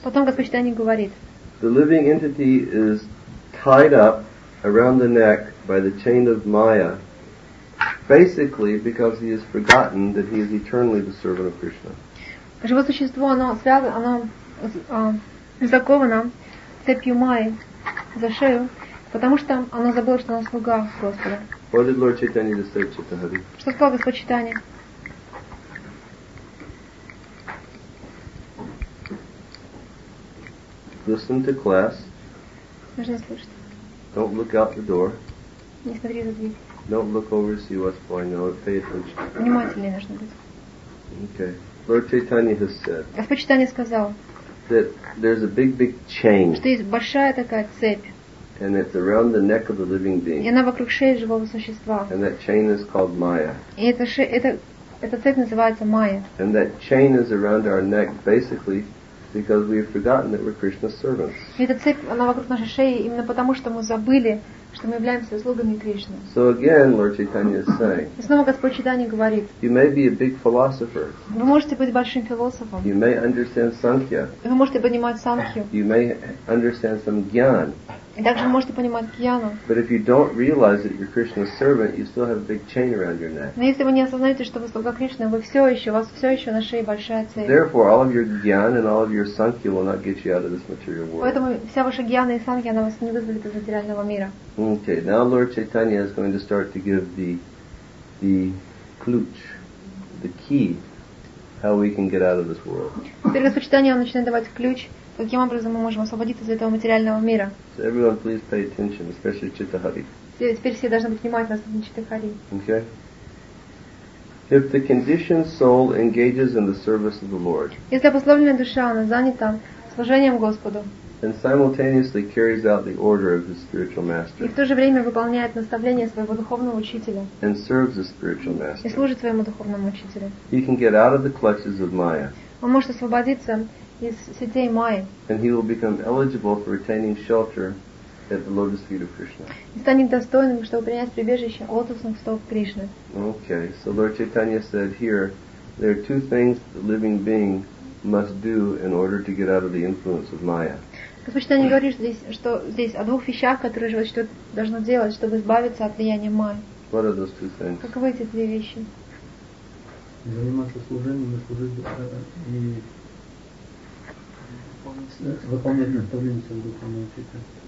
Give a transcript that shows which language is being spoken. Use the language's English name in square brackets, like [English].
[Russian] Потом Господь Чайтанья говорит. [English] The living entity is tied up around the neck by the chain of Maya. Basically, because he has forgotten that he is eternally the servant of Krishna. [Russian] Живое существо, оно связано, оно заковано цепью майи за шею, потому что оно забыло, что оно слуга Господа. [English] What did Lord Chaitanya just say, Chaitanya? [Russian] Что сказал Господь Чайтанья? [English] Listen to class. [Russian] Нужно слушать. [English] Don't look out the door. [Russian] Не смотри за дверь. [English] Don't look over to see what's going on. Pay attention. [Russian] Внимательнее нужно быть. [English] Okay. Lord Chaitanya has said. [Russian] Господь Чайтанья сказал. [English] That there's a big, big chain. [Russian] Что есть большая такая цепь. [English] And it's around the neck of the living being. [Russian] И она вокруг шеи живого существа. [English] And that chain is called Maya. [Russian] И эта цепь называется Майя. [English] And that chain is around our neck, basically, because we have forgotten that we're Krishna's servants. [Russian] И эта цепь, она вокруг нашей шеи именно потому, что мы забыли, что мы являемся слугами Кришны. [English] So again, Lord Chaitanya is saying. [Russian] И снова Господь Чайтанья говорит. [English] You may be a big philosopher. [Russian] Вы можете быть большим философом. [English] You may understand Sankhya. [Russian] Вы можете понимать Санхью. [English] You may understand some Gyan. [Russian] И также можете понимать Гьяну. [English] But if you don't realize that you're Krishna's servant, you still have a big chain around your neck. [Russian] Но если вы не осознаете, что вы слуга Кришны, вы все еще, у вас все еще на шее большая цепь. [English] Therefore, all of your Gyan and all of your Sankhya will not get you out of this material world. [Russian] Поэтому вся ваша Гьяна и Санхья, она вас не вызволит из материального мира. [English] Okay, now Lord Chaitanya is going to start to give the ключ, the key, how we can get out of this world. [Russian] Теперь Господь Чайтанья начинает давать ключ, каким образом мы можем освободиться из этого материального мира. [English] So everyone, please pay attention, especially Chittahari. [Russian] Теперь все должны быть внимательны, особенно Chittahari. [English] Okay. If the conditioned soul engages in the service of the Lord. [Russian] Если обусловленная душа, она занята служением Господу. [English] And simultaneously carries out the order of his spiritual master. [Russian] И в то же время выполняет наставление своего духовного учителя. [English] And serves the spiritual master. [Russian] И служит своему духовному учителю. [English] He can get out of the clutches of Maya. [Russian] Он может освободиться из сетей майи. [English] And he will become eligible for retaining shelter at the lotus feet of Krishna. [Russian] И станет достойным, чтобы принять прибежище у лотосных стоп Кришны. [English] Okay, so Lord Chaitanya said here, there are two things the living being must do in order to get out of the influence of Maya. [Russian] Господь Чайтанья говорит здесь, что здесь о двух вещах, которые живое существо должно делать, чтобы избавиться от влияния Майи. [English] What are those two things? [Russian] Каковы эти две вещи? Заниматься служением и выполнять наставление своего духовного учителя.